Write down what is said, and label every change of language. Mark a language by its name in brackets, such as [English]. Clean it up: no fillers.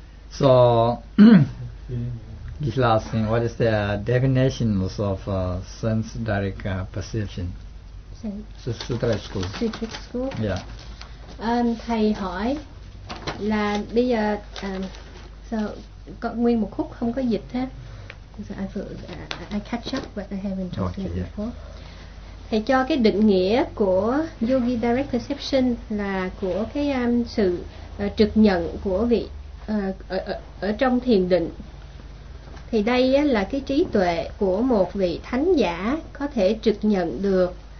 [English] So, this last thing, what is the definition of sense direct perception? Sutra school. Sutric school. Yeah. [Vietnamese] Thầy hỏi là bây giờ sao có nguyên một khúc không có dịch ha? [English] So I catch up what I haven't talked okay, yeah. before. [Vietnamese] Thầy cho cái định nghĩa của yogi direct perception là của cái sự trực nhận của vị ở trong thiền định. Thì đây là cái trí tuệ của một vị thánh giả có thể trực nhận được.